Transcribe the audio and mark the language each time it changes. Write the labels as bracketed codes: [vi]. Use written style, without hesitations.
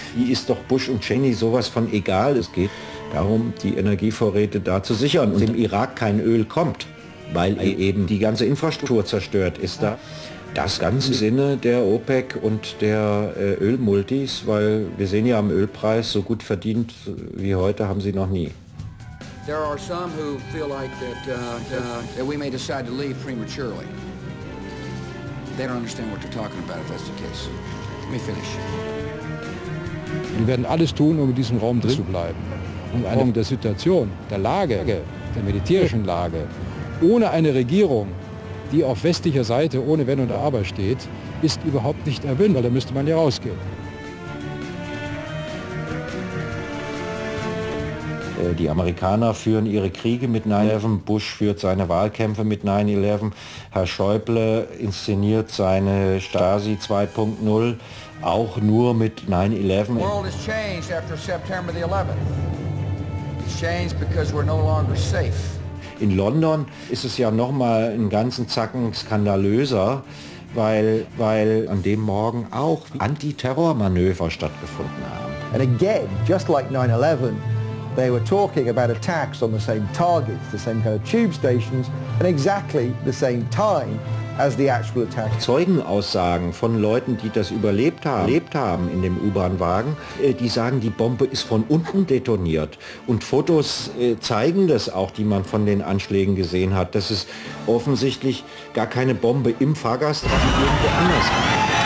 [de] Wie ist doch Bush und Cheney sowas von egal? Es geht darum, die Energievorräte da zu sichern und im Irak kein Öl kommt, weil eben die ganze Infrastruktur zerstört ist da. Das ganze Sinne der OPEC und der Ölmultis, weil wir sehen ja am Ölpreis, so gut verdient wie heute haben sie noch nie. [en] There are some who feel like that we may decide to leave prematurely. They don't understand what they're talking about if that's the case. Let me finish. [de] Wir werden alles tun, um in diesem Raum drin zu bleiben. Um eine der Situation, der Lage, der militärischen Lage, ohne eine Regierung, die auf westlicher Seite ohne Wenn und Aber steht, ist überhaupt nicht erwünscht, weil da müsste man ja rausgehen. Die Amerikaner führen ihre Kriege mit 9/11, Bush führt seine Wahlkämpfe mit 9/11, Herr Schäuble inszeniert seine Stasi 2.0 auch nur mit 9/11. [en] The world has changed after September the 11th. It's changed because we're no longer safe. [de] In London ist es ja noch mal einen ganzen Zacken skandalöser, weil an dem Morgen auch Antiterrormanöver stattgefunden haben. [en] And again, just like 9/11, they were talking about attacks on the same targets, the same kind of tube stations, and exactly the same time as the actual attack. [de] Zeugenaussagen von Leuten, die das überlebt haben in dem U-Bahn-Wagen, die sagen, die Bombe ist von unten detoniert. Und Fotos zeigen das auch, die man von den Anschlägen gesehen hat, dass es offensichtlich gar keine Bombe im Fahrgastraum irgendwo anders gibt.